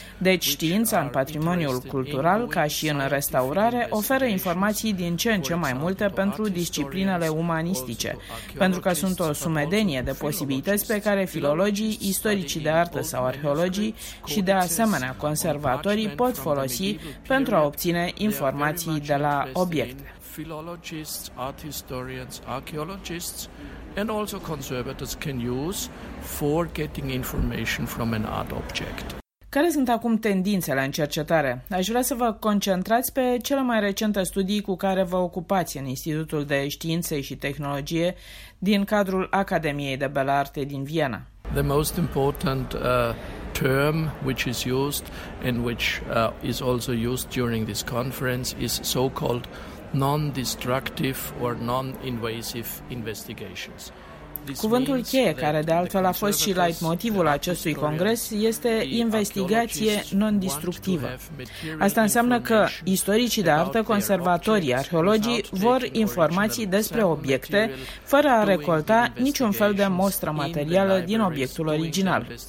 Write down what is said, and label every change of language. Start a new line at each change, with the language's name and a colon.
Romanian: Deci știința în patrimoniul cultural, ca și în restaurare, oferă informații din ce în ce mai multe pentru disciplinele umanistice, pentru că sunt o sumedenie de posibilități pe care filologii, istoricii de artă sau arheologii și de asemenea conservatorii pot folosi pentru a obține informații de la obiect.
English: Filologists, art historians, archaeologists and also conservators can use for getting information from an art object.
Romanian: Care sunt acum tendințele în cercetare? Aș vrea să vă concentrați pe cele mai recente studii cu care vă ocupați în Institutul de Științe și Tehnologie din cadrul Academiei de Belle Arte din Viena.
English: The most important term which is used and which is also used during this conference is so-called non-destructive or non-invasive investigations.
Romanian: Cuvântul cheie, care de altfel a fost și leitmotivul acestui congres, este investigație non-distructivă. Asta înseamnă că istoricii de artă, conservatorii, arheologii vor informații despre obiecte fără a recolta niciun fel de mostră materială din obiectul original.